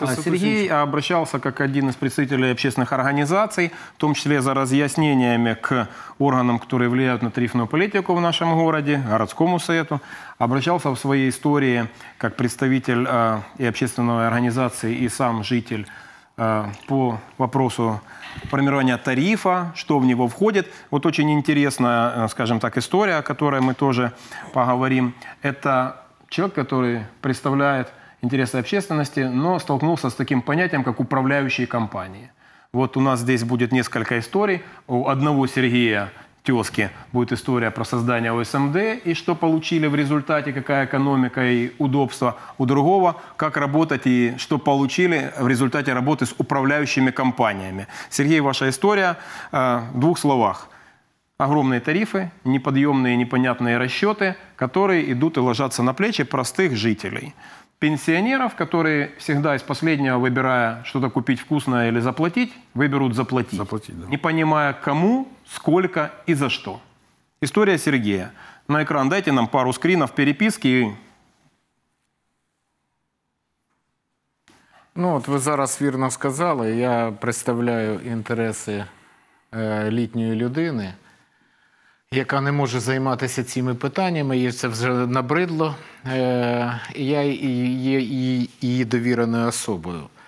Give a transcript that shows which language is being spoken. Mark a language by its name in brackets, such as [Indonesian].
[Ukrainian] Сергій обращався як один із представників громадських організацій, в тому числі за роз'ясненнями к органам, які впливають на тарифну політику в нашому місті, міському совету. Обращався в своїй історії як представитель і громадської організації, і сам житель [Russian] по вопросу формирования тарифа, что в него входит. Вот очень интересная, скажем так, история, о которой мы тоже поговорим. Это человек, который представляет интересы общественности, но столкнулся с таким понятием, как управляющие компании. Вот у нас здесь будет несколько историй. У одного Сергея тезки будет история про создание ОСМД и что получили в результате, какая экономика и удобство. У другого, как работать и что получили в результате работы с управляющими компаниями. Сергей, ваша история в двух словах. Огромные тарифы, неподъемные, непонятные расчеты, которые идут и ложатся на плечи простых жителей. пенсионеров, которые всегда из последнего, выбирая что-то купить вкусное или заплатить, выберут заплатить. Заплатить, да. Не понимая, кому, сколько и за что. История Сергея. На экран дайте нам пару скринов переписки. [Ukrainian] Ну, от ви зараз вірно сказали. Я представляю інтереси літньої людини, яка не може займатися цими питаннями, їй це вже набридло. Я є її довіреною особою.